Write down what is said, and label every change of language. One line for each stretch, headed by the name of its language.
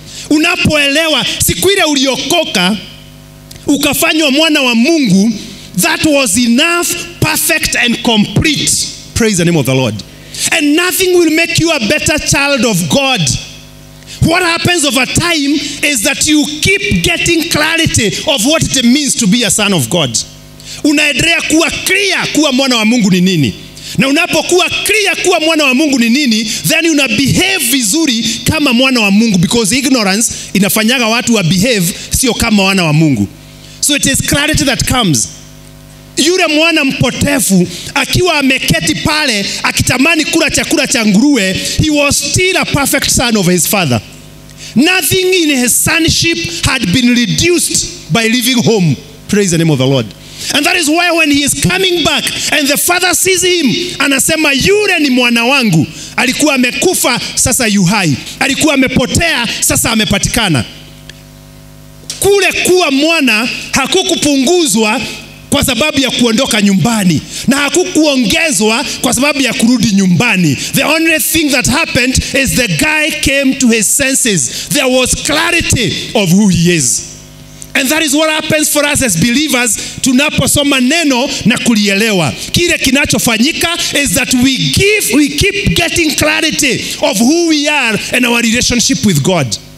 Swahili: Unapoelewa, siku ile uliokoka, ukafanywa mwana wa Mungu,
English: that was enough, perfect and complete. Praise the name of the Lord. And nothing will make you a better child of God. What happens over time is that you keep getting clarity of what it means to be a son of God.
Swahili: Unaendelea kuwa clear kuwa mwana wa Mungu ni nini. Na unapokuwa clear kuwa mwana wa Mungu ni nini, then una behave vizuri kama mwana wa Mungu, because ignorance inafanyaga watu wa behave sio kama wana wa Mungu.
English: So it is clarity that comes.
Swahili: Yule mwana mpotefu akiwa ameketi pale akitamani kula chakula cha nguruwe,
English: he was still a perfect son of his father. Nothing in his sonship had been reduced by leaving home. Praise the name of the Lord. And that is why when he is coming back and the father sees him,
Swahili: anasema yule ni mwana wangu, alikuwa amekufa sasa yu hai, alikuwa amepotea sasa amepatikana. Kule kuwa mwana hakukupunguzwa kwa sababu ya kuondoka nyumbani. Na hakukuongezwa kwa sababu ya kurudi nyumbani.
English: The only thing that happened is the guy came to his senses. There was clarity of who he is. And that is what happens for us as believers,
Swahili: tunaposoma neno na kulielewa. Kile kinachofanyika
English: is that we keep getting clarity of who we are and our relationship with God.